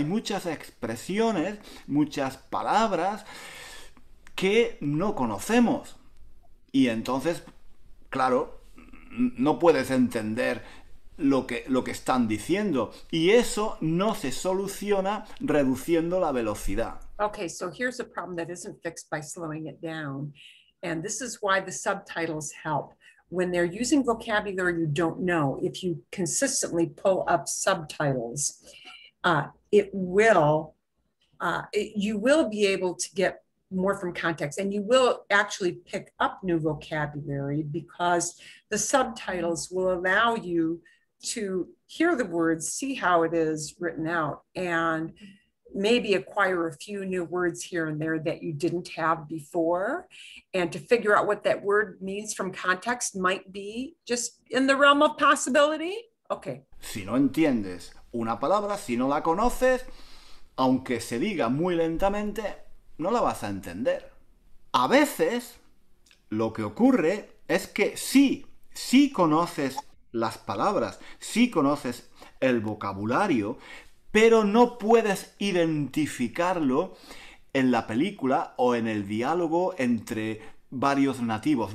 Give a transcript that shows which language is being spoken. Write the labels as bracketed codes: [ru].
[es] Hay muchas expresiones, muchas palabras que no conocemos. Y entonces, claro, no puedes entender lo que están diciendo, y eso no se soluciona reduciendo la velocidad. [en] Okay, so here's a problem that isn't fixed by slowing it down, and this is why the subtitles help. When they're using vocabulary you don't know, if you consistently pull up subtitles, you will be able to get more from context, and you will actually pick up new vocabulary because the subtitles will allow you to hear the words, see how it is written out, and maybe acquire a few new words here and there that you didn't have before. And to figure out what that word means from context might be just in the realm of possibility. Okay. [es] Si no entiendes una palabra, si no la conoces, aunque se diga muy lentamente, no la vas a entender. A veces, lo que ocurre es que sí conoces las palabras, sí conoces el vocabulario, pero no puedes identificarlo en la película o en el diálogo entre varios nativos.